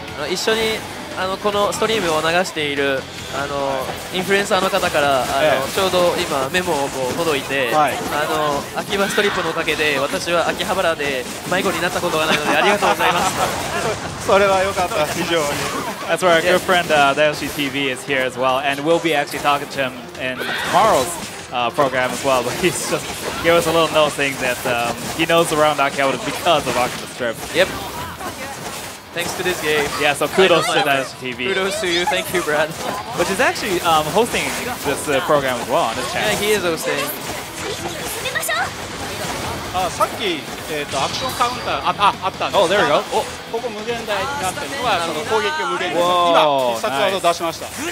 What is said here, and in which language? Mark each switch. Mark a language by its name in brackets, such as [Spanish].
[Japanese] 一緒にあのこのストリームを流しているあのインフルエンサーの方からあの、yeah. ちょうど今メモをこう届いて、はい、あの秋葉ストリップのおかげで私は秋葉原で迷子になったことがないのでありがとうございます。それは良かった非常に。 [English] That's where our good friend Daoshi TV is here as well, and we'll be actually talking to him in tomorrow's program as well. But he's just gave us a little note saying that he knows around Akihabara because of Oculus Trip. Yep. Thanks to this game. Yeah, so kudos to that TV. Kudos to you, thank you, Brad. Which is actually hosting this program as well on this channel. Yeah, he is hosting. [Japanese] さっき、アクションカウンターあったんです [English] 。Oh, there we go. [Japanese] ここ無限大になってるのはその攻撃無限です。今、必殺技を出しました。